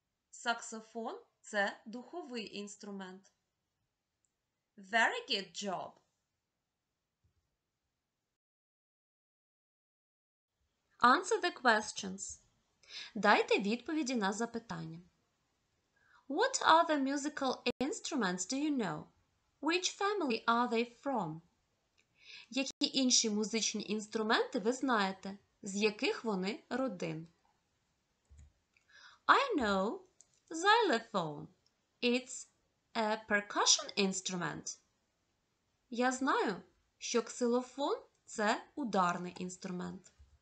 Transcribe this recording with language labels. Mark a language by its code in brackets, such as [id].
[uk] Саксофон – це духовий інструмент. [en] Very good job! Answer the questions. [uk] Дайте відповіді на запитання. [en] What are the musical instruments do you know? Which family are they from? [uk] Які інші музичні інструменти ви знаєте? З яких вони родин? [en] I know xylophone. It's a percussion instrument. [uk] Я знаю, що ксилофон – це ударний інструмент.